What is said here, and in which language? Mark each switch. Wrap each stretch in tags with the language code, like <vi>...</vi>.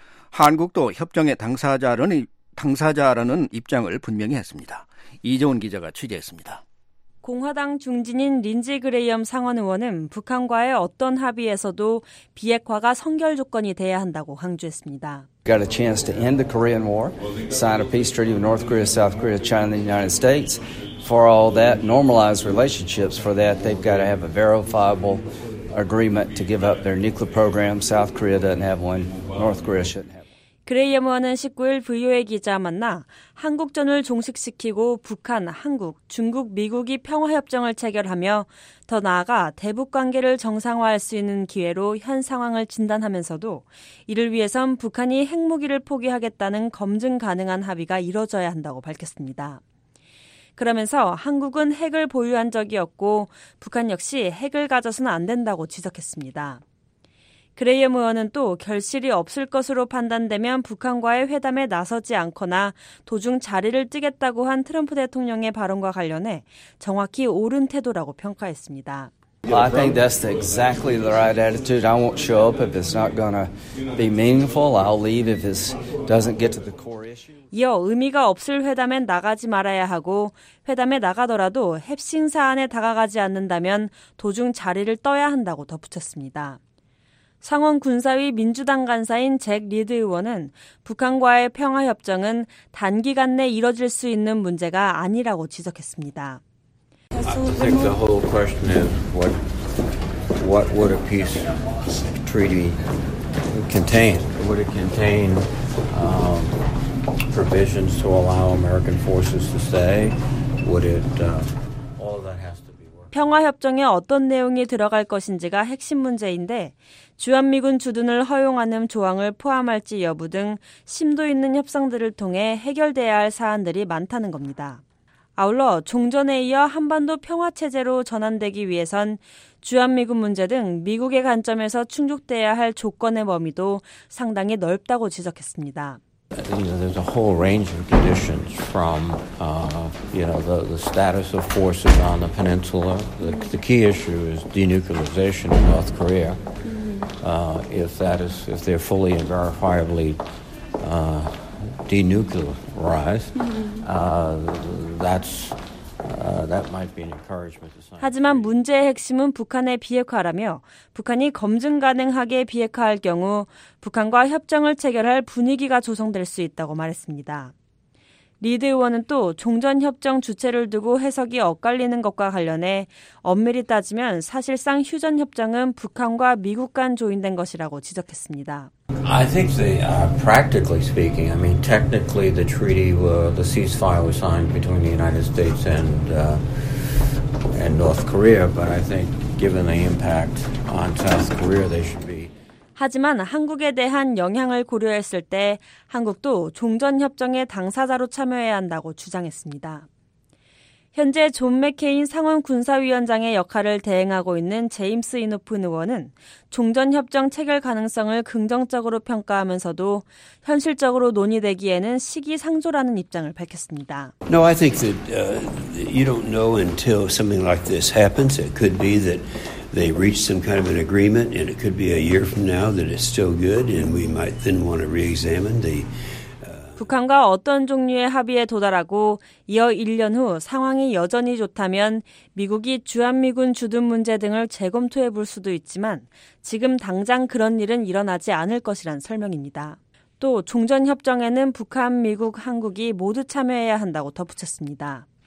<ko>한국도 협정의 당사자라는 입장을 분명히 했습니다. 이재훈 기자가 취재했습니다. 공화당 중진인 린지 그레이엄 상원 의원은 북한과의 어떤 합의에서도 비핵화가 선결 조건이 돼야 한다고 강조했습니다.</ko> <en>Got a chance to end the Korean War, sign a peace treaty with North Korea, South Korea, China, and the United States. For all that, normalize relationships. For that, they've got to have a verifiable agreement to give up their nuclear program. South Korea doesn't have one. North Korea shouldn't have.</en> <ko>그레이엄 의원은 19일 VOA 기자와 만나 한국전을 종식시키고 북한, 한국, 중국, 미국이 평화협정을 체결하며 더 나아가 대북관계를 정상화할 수 있는 기회로 현 상황을 진단하면서도 이를 위해선 북한이 핵무기를 포기하겠다는 검증 가능한 합의가 이뤄져야 한다고 밝혔습니다. 그러면서 한국은 핵을 보유한 적이 없고 북한 역시 핵을 가져서는 안 된다고 지적했습니다. 그레이엄 의원은 또 결실이 없을 것으로 판단되면 북한과의 회담에 나서지 않거나 도중 자리를 뜨겠다고 한 트럼프 대통령의 발언과 관련해 정확히 옳은 태도라고 평가했습니다.</ko> <en>I think that's exactly the right attitude. I won't show up if it's not going to be meaningful. I'll leave if it doesn't get to the core issue.</en> <ko>이어 의미가 없을 회담엔 나가지 말아야 하고 회담에 나가더라도 핵심 사안에 다가가지 않는다면 도중 자리를 떠야 한다고 덧붙였습니다. 상원 군사위 민주당 간사인 잭 리드 의원은 북한과의 평화협정은 단기간 내 이뤄질 수 있는 문제가 아니라고 지적했습니다.</ko> <en>I think the whole question is what would a peace treaty contain? Would it contain provisions to allow American forces to stay? Would it...</en> <ko>평화협정에 어떤 내용이 들어갈 것인지가 핵심 문제인데 주한미군 주둔을 허용하는 조항을 포함할지 여부 등 심도 있는 협상들을 통해 해결돼야 할 사안들이 많다는 겁니다. 아울러 종전에 이어 한반도 평화체제로 전환되기 위해선 주한미군 문제 등 미국의 관점에서 충족돼야 할 조건의 범위도 상당히 넓다고 지적했습니다.</ko> <en>There's a whole range of conditions from, the status of forces on the peninsula. The key issue is denuclearization in North Korea. If they're fully and verifiably denuclearized, that might be an encouragement.</en> <ko>하지만 문제의 핵심은 북한의 비핵화라며 북한이 검증 가능하게 비핵화할 경우 북한과 협정을 체결할 분위기가 조성될 수 있다고 말했습니다. 리드 의원은 또 종전협정 주체를 두고 해석이 엇갈리는 것과 관련해 엄밀히 따지면 사실상 휴전협정은 북한과 미국 간 조인된 것이라고 지적했습니다.</ko> <en>I think they are practically speaking, I mean technically the treaty were the ceasefire was signed between the United States and North Korea, but I think given the impact on South Korea they should be</en> <ko>하지만 한국에 대한 영향을 고려했을 때 한국도 종전협정의 당사자로 참여해야 한다고 주장했습니다. 현재 존 맥케인 상원군사위원장의 역할을 대행하고 있는 제임스 이노픈 의원은 종전협정 체결 가능성을 긍정적으로 평가하면서도 현실적으로 논의되기에는 시기상조라는 입장을 밝혔습니다.</ko> <en>No, I think that you don't know until something like this happens. It could be that they reach some kind of an agreement, and it could be a year from now that it's still good, and we might then want to re-examine the</en> <ko>북한과 어떤 종류의 합의에 도달하고 이어 1년 후 상황이 여전히 좋다면 미국이 주한미군 주둔 문제 등을 재검토해 볼 수도 있지만 지금 당장 그런 일은 일어나지 않을 것이란 설명입니다. 또 종전협정에는 북한, 미국, 한국이 모두 참여해야 한다고 덧붙였습니다.</ko>